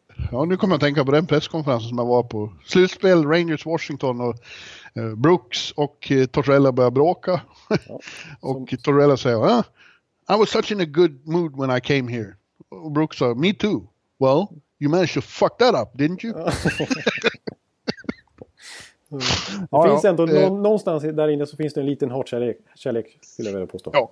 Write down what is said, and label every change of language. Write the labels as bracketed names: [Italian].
[Swedish] Ja, nu kommer jag tänka på den presskonferensen som jag var på. Slutspel, Rangers, Washington och Brooks och Tortorella börjar bråka. Och Tortorella säger, [English] I was such in a good mood when I came here. [Swedish] Och Brooks sa, [English] me too. Well, you managed to fuck that up, didn't you? [Swedish] Det finns ändå någonstans där inne så finns det en liten hård kärlek skulle jag vilja påstå.